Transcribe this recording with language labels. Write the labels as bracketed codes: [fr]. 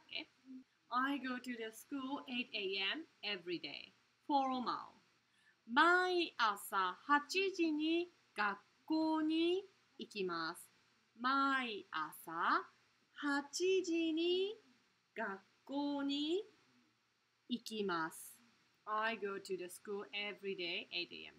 [en] Okay? I go to the school 8 a.m. every day. Formal. [ja] 毎朝8時に学校に行きます。毎朝8時に学校に行きます。 [en] I go to the school every day 8 a.m.